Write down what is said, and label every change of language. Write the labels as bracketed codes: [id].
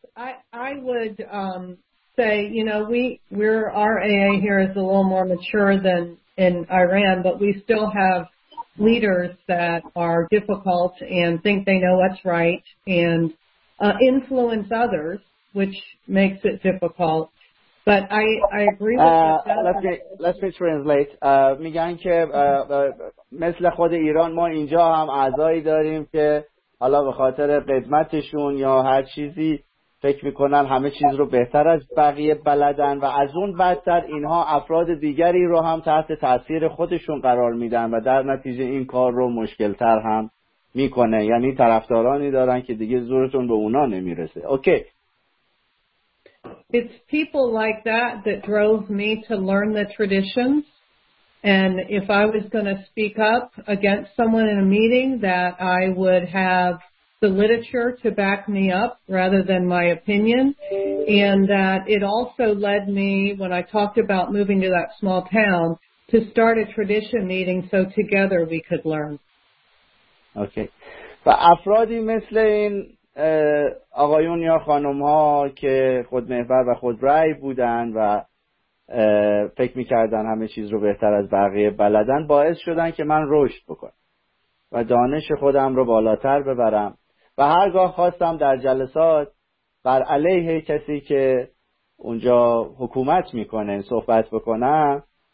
[en] I would say, you know, we're our AA here is a little more mature than in Iran, but we still have leaders that are difficult and think they know what's right and influence others, which makes it difficult. But I agree with you. Let me translate. [fa] میگن که مثل خود ایران ما اینجا هم اعضایی داریم که حالا به خاطر قدمتشون یا هر چیزی فکر میکنن همه چیز رو بهتر از بقیه بلدن و از اون بدتر اینها افراد دیگری رو هم تحت تاثیر خودشون قرار میدن و در نتیجه این کار رو مشکلتر هم میکنه. یعنی طرفدارانی دارن که دیگه زورتون به اونا نمیرسه. [en] Okay. It's people like that that drove me to learn the traditions, and if I was going to speak up against someone in a meeting, that I would have the literature to back me up rather than my opinion. And that it also led me, when I talked about moving to that small town, to start a tradition meeting so together we could learn. Okay. [fa] و افرادی مثل این آقایون یا خانم ها که خودمحور و خودرأی بودن و فکر میکردن همه چیز رو بهتر از بقیه بلدن باعث شدن که من رشد بکنم و دانش خودم رو بالاتر ببرم و هرگاه خواستم در جلسات بر علیه کسی که اونجا حکومت میکنه صحبت بکنم